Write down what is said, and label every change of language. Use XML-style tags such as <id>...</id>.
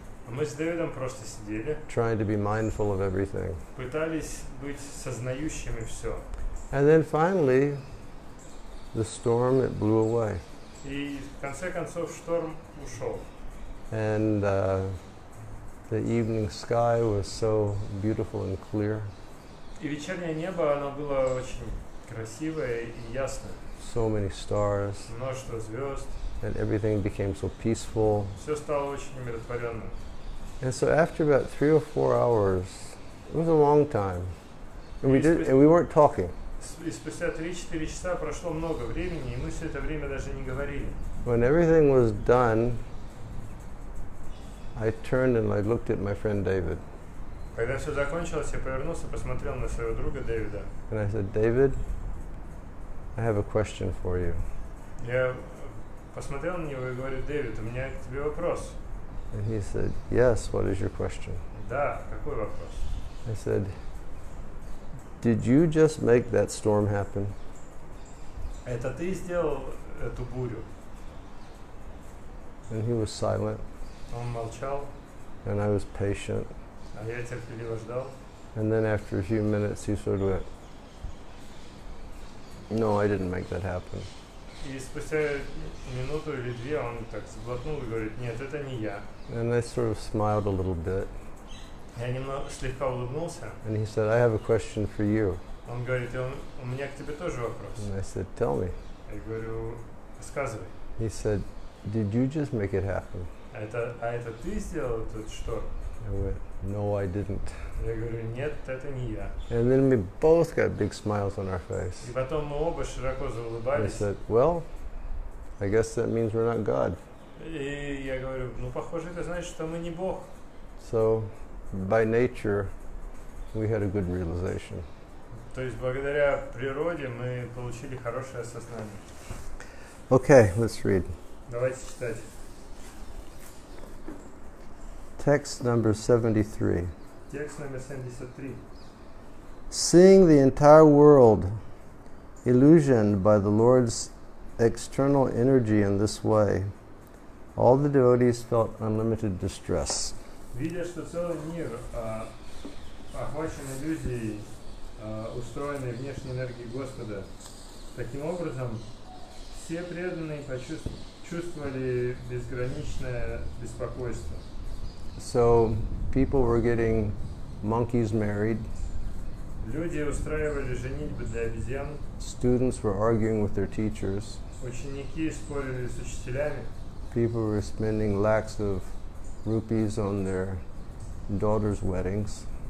<ru>Мы с Дэвидом просто сидели.</ru> <en>Trying to be mindful of everything.</en> <ru>Пытались быть сознающими все.</ru> <en>And then finally, the storm, it blew away.</en> <ru>И в конце концов шторм ушел.</ru> <en>And the evening sky was so beautiful and clear.</en> <ru>И вечернее небо, оно было очень красивое и ясное.</ru> <en>So many stars.</en> <ru>Множество звезд.</ru> <en>And everything became so peaceful.</en> <ru>Все стало очень умиротворенным.</ru> <en>And so after about 3 or 4 hours, it was a long time, and we weren't talking.</en> <ru>И спустя 3-4 часа прошло много времени, и мы все это время даже не говорили.</ru> <en>When everything was done, I turned and I looked at my friend David.</en> <ru>Когда все закончилось, я повернулся, посмотрел на своего друга Дэвида.</ru> <en>And I said, David, I have a question for you.</en> <ru>Я посмотрел на него и говорю, Дэвид, у меня к тебе вопрос.</ru> <en>And he said, yes, what is your question?</en> <ru>Да, какой вопрос?</ru> <en>I said, did you just make that storm happen?</en> <ru>Это ты сделал эту бурю?</ru> <en>And he was silent.</en> <ru>Он молчал.</ru> <en>And I was patient.</en> <ru>А я терпеливо ждал.</ru> <en>And then after a few minutes, he sort of went, no, I didn't make that happen.</en> <ru>И спустя минуту или две он так сглотнул и говорит: нет, это не я.</ru> <en>And I sort of smiled a little bit.</en> <ru>Я немного слегка улыбнулся.</ru> <en>And he said, I have a question for you.</en> <ru>Он говорит: у меня к тебе тоже вопрос.</ru> <en>And I said, tell me.</en> <ru>Я говорю: рассказывай.</ru> <en>He said, did you just make it happen?</en> <ru>А это ты сделал этот шторм?</ru> <en>I went, no, I didn't.</en> <ru>Я говорю: нет, это не я.</ru> <en>And then we both got big smiles on our face.</en> <ru>И потом мы оба широко заулыбались.</ru> <en>I said, well, I guess that means we're not God.</en> <ru>И я говорю: ну, похоже, это значит, что мы не Бог.</ru> <en>So, by nature, we had a good realization.</en> <ru>То есть, благодаря природе, мы получили хорошее осознание.</ru> <en>Okay, let's read.</en> <ru>Давайте читать.</ru> <en>Text number 73. Text number 73. Seeing the entire world illusioned by the Lord's external energy in this way, all the devotees felt unlimited distress.</en> <ru>Видя, что целый мир охвачен иллюзией, устроенной внешней энергией Господа, таким образом все преданные чувствовали безграничное беспокойство.</ru> <en>So people were getting monkeys married.</en> <ru>Люди устраивали женитьбы для обезьян.</ru> <en>Students were arguing with their teachers.</en> <ru>Ученики спорили с учителями.</ru> <en>People were spending lakhs of rupees on their daughters' weddings.</en>